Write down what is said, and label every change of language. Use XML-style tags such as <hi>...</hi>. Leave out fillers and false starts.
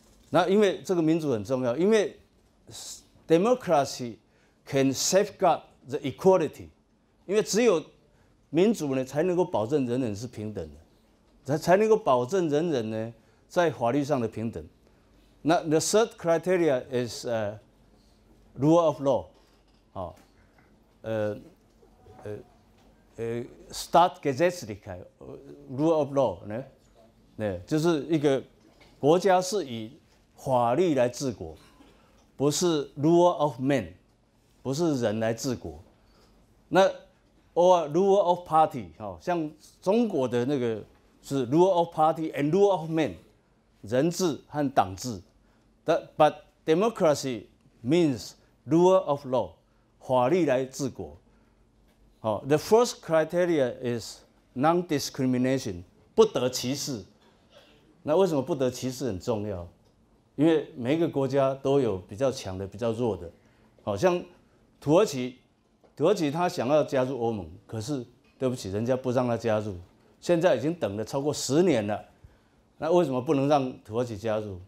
<zh>那因为这个民主很重要，因为</zh> <en>democracy can safeguard the equality，</en> <zh>因为只有民主呢才能够保证人人是平等的，才能够保证人人呢在法律上的平等。</zh> <en>那 the third criteria is rule of law。</en> <zh>Staatsgesetzlichkeit， rule of law， 呢，就是一个国家是以法律来治国，不是 rule of man， 不是人来治国。</zh> <en>那 or rule of party，</en> <zh>像中国的那个是</zh> <en>rule of party and rule of man，</en> <zh>人治和党治。</zh> <en>But democracy means rule of law。</en> <zh>法律来治国。</zh> <en>The first criteria is non-discrimination，</en> <zh>不得歧视。那为什么不得歧视很重要？因为每个国家都有比较强的、比较弱的。好像土耳其他想要加入欧盟，可是对不起，人家不让他加入，现在已经等了超过十年了。那为什么不能让土耳其加入？</zh>